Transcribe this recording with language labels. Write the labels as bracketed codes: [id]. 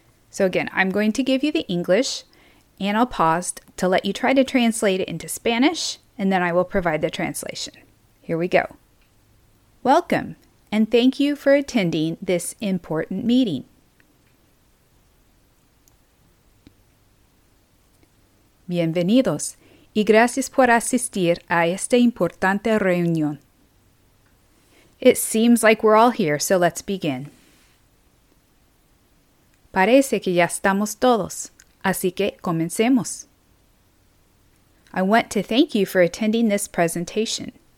[en] So again, I'm going to give you the English, and I'll pause to let you try to translate it into Spanish, and then I will provide the translation. Here we go. Welcome, and thank you for attending this important meeting. [es] Bienvenidos, y gracias por asistir a esta importante reunión. [en] It seems like we're all here, so let's begin. [es] Parece que ya estamos todos, así que comencemos. [en] I want to thank you for attending this presentation.